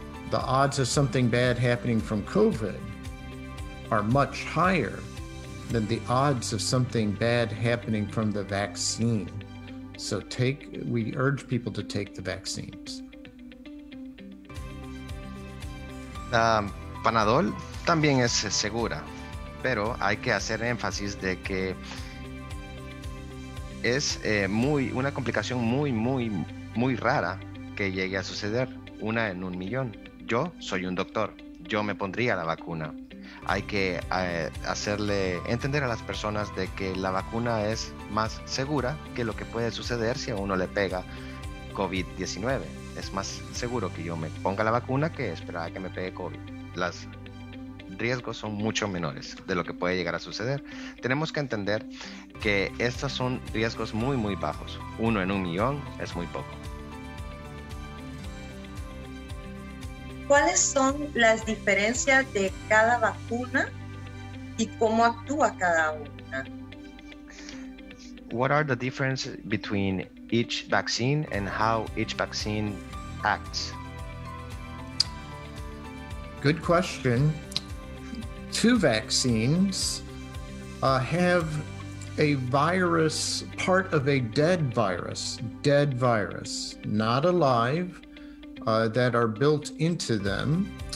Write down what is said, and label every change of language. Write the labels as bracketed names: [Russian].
[English] The odds of something bad happening from COVID are much higher than the odds of something bad happening from the vaccine. So we urge people to take the vaccines. [Spanish] Panadol también es segura, pero hay que hacer énfasis de que es una complicación muy, muy, muy rara que llegue a suceder, una en un millón. Yo soy un doctor, yo me pondría la vacuna. Hay que hacerle entender a las personas de que la vacuna es más segura que lo que puede suceder si a uno le pega COVID-19. Es más seguro que yo me ponga la vacuna que esperar a que me pegue COVID. Los riesgos son mucho menores de lo que puede llegar a suceder. Tenemos que entender que estos son riesgos muy, muy bajos. Uno en un millón es muy poco. ¿Cuáles son las diferencias de cada vacuna y cómo actúa cada una? [English] What are the differences between each vaccine and how each vaccine acts? Good question. Two vaccines have a virus, part of a dead virus, not alive, that are built into them.